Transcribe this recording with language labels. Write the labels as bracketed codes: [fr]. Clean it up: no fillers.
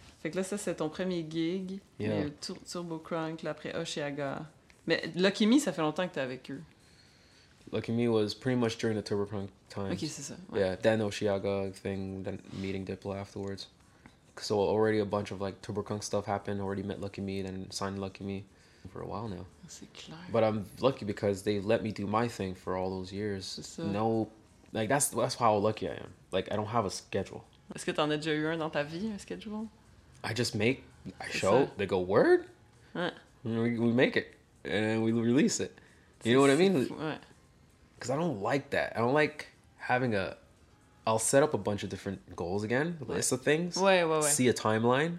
[fr] Fait que là, ça, c'est ton premier gig. [en] Yeah. [fr] Turbo Crunk, là, après Oshiaga. Mais Lucky Me, ça fait longtemps que t'es avec eux. [en] Lucky Me was pretty much during the Turbo Crunk time. [fr] Okay, c'est ça. [en] Ouais. Yeah, then Oshiaga thing, then meeting Diplo afterwards. So already a bunch of like TurboKunk stuff happened. Already met Lucky Me, then signed Lucky Me for a while now. [fr] C'est clair. [en] But I'm lucky because they let me do my thing for all those years. No, like that's how lucky I am. Like I don't have a schedule. [fr] Est-ce que t'en as déjà eu un dans ta vie, un schedule? [en] I just make, I show, they go, word? Ouais. We make it, and we release it. You know what I mean? [fr] Ouais. [en] Because I don't like that. I don't like having a, I'll set up a bunch of different goals again, lists of things. [fr] Ouais. [en] See a timeline,